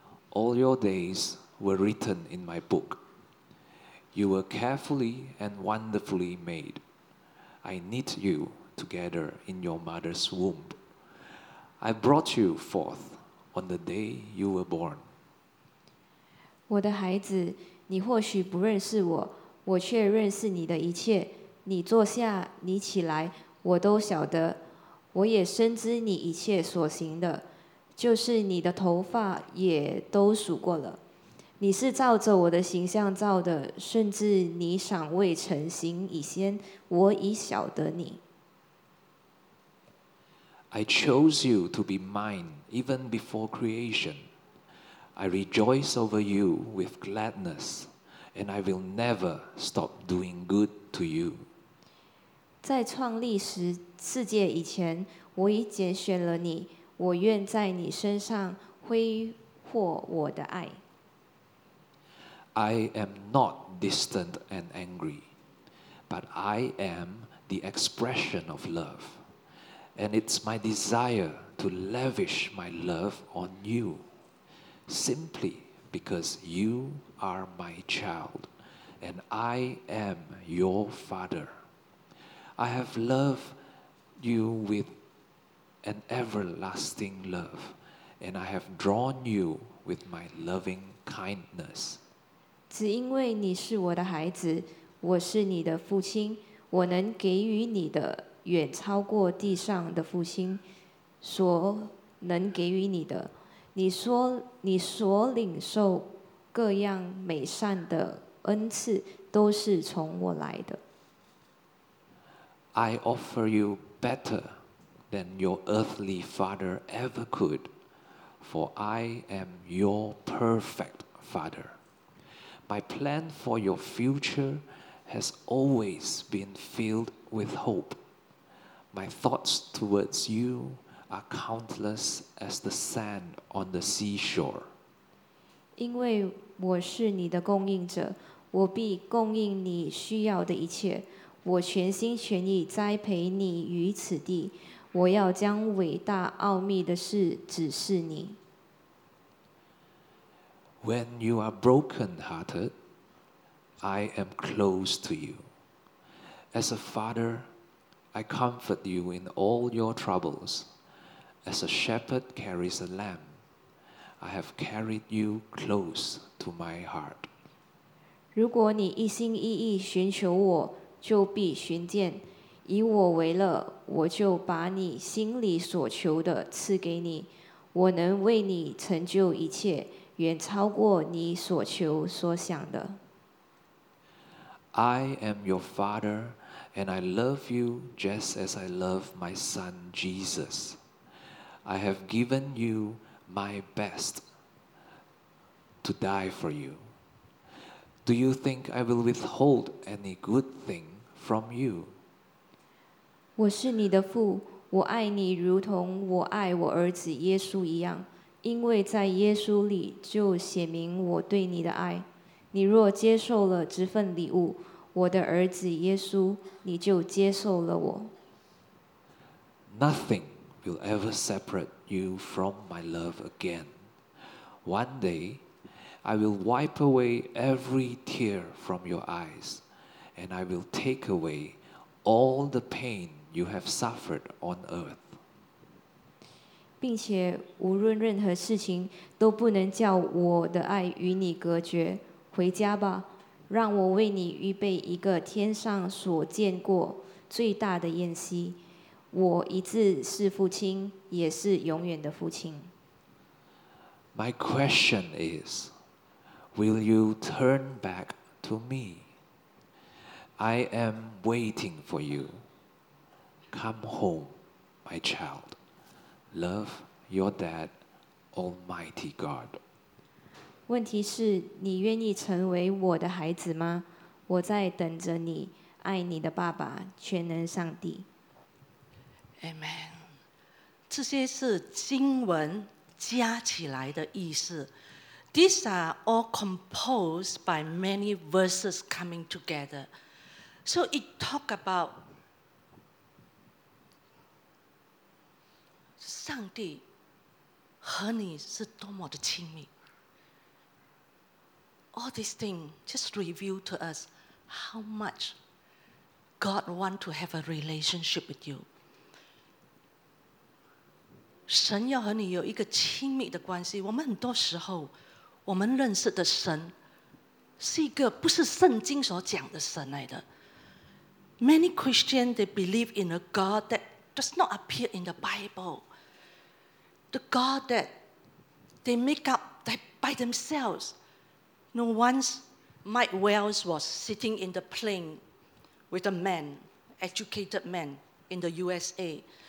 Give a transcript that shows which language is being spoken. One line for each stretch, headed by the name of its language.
English: All your days were written in my book. You were carefully and wonderfully made. I knit you together in your mother's womb. I brought you forth on the day you were born.
Chinese: 我的孩子，你或许不认识我，我却认识你的一切。你坐下，你起来，我都晓得。我也深知你一切所行的，就是你的头发也都数过了。你是照着我的形象造的，甚至你尚未成形以前，我已晓得你。
English: I chose you to be mine even before creation. I rejoice over you with gladness, and I will never stop doing good to you.
Chinese: 在创立时，世界以前，我已拣选了你，我愿在你身上挥霍我的爱。
English: I am not distant and angry, but I am the expression of love, and it's my desire to lavish my love on you, simply because you are my child, and I am your father. I have loved you with an everlasting love, and I have drawn you with my loving kindness.
Chinese: 只因为你是我的孩子，我是你的父亲，我能给予你的远超过地上的父亲所能给予你的。你所领受各样美善的恩赐，都是从我来的。
English: I offer you better than your earthly father ever could, for I am your perfect father. My plan for your future has always been filled with hope. My thoughts towards you are countless as the sand on the seashore.
Chinese: 因为我是你的供应者，我必供应你需要的一切。我全心全意栽培你于此地，我要将伟大奥秘的事指示你。
English: When you are broken-hearted, I am close to you. As a father, I comfort you in all your troubles. As a shepherd carries a lamb, I have carried you close to my heart.
Chinese: 如果你一心一意寻求我，就必寻见。以我为乐，我就把你心里所求的赐给你。我能为你成就一切，远超过你所求所想的。
English: I am your father, and I love you just as I love my son Jesus. I have given you my best to die for you. Do you think I will withhold any good thing from you?
Chinese: 我是你的父，我爱你如同我爱我儿子耶稣一样，因为在耶稣里就显明我对你的爱。你若接受了这份礼物，我的儿子耶稣，你就接受了我。
English: Nothing will ever separate you from my love again. One day, I will wipe away every tear from your eyes, and I will take away all the pain you have suffered on earth.
Chinese: 并且无论任何事情都不能叫我的爱与你隔绝。回家吧，让我为你预备一个天上所见过最大的宴席。我一直是父亲，也是永远的父亲。
English: My question is, will you turn back to me? I am waiting for you. Come home, my child. Love your dad, Almighty God.
Chinese: 问题是，你愿意成为我的孩子吗？我在等着你，爱你的爸爸，全能上帝。
English: Amen.
Chinese: 这些是经文加起来的意思。
English: These are all composed by many verses coming together. So it talk about
Chinese: 上帝和你是多么的亲密。
English: All these things just reveal to us how much God wants to have a relationship with you.
Chinese: 神要和你有一个亲密的关系。我们很多时候我们认识的神是一个不是圣经所讲的神来的。
English: Many Christians, they believe in a God that does not appear in the Bible. The God that they make up by themselves. No, once Mike Wells was sitting in the plane with a man, educated man in the USA.